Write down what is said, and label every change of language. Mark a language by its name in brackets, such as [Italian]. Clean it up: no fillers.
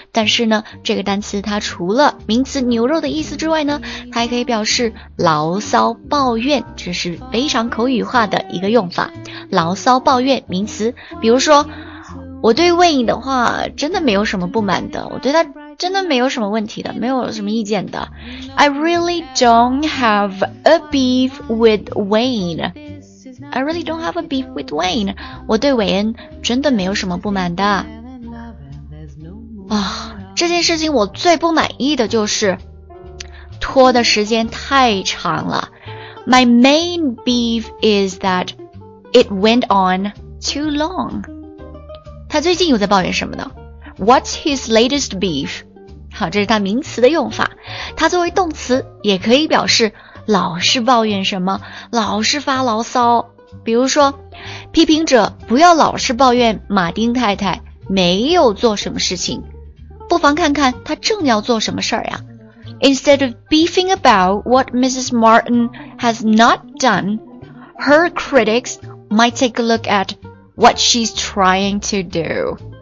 [Chinese] 但是呢，这个单词它除了名词牛肉的意思之外呢，它还可以表示牢骚抱怨，这是非常口语化的一个用法，牢骚抱怨名词。比如说我对 Wayne 的话真的没有什么不满的，我对他真的没有什么问题的，没有什么意见的。 [English] I really don't have a beef with WayneI really don't have a beef with Wayne. [Chinese] 我对韦恩真的没有什么不满的。这件事情我最不满意的就是拖的时间太长了。 [English] My main beef is that It went on too long. [Chinese] 他最近又在抱怨什么呢？ [English] What's his latest beef? [Chinese] 好，这是他名词的用法。他作为动词也可以表示老是抱怨什么，老是发牢骚。比如说，批评者不要老是抱怨马丁太太没有做什么事情，不妨看看他正要做什么事儿呀。 [English] Instead of beefing about what Mrs. Martin has not done, her critics might take a look at what she's trying to do.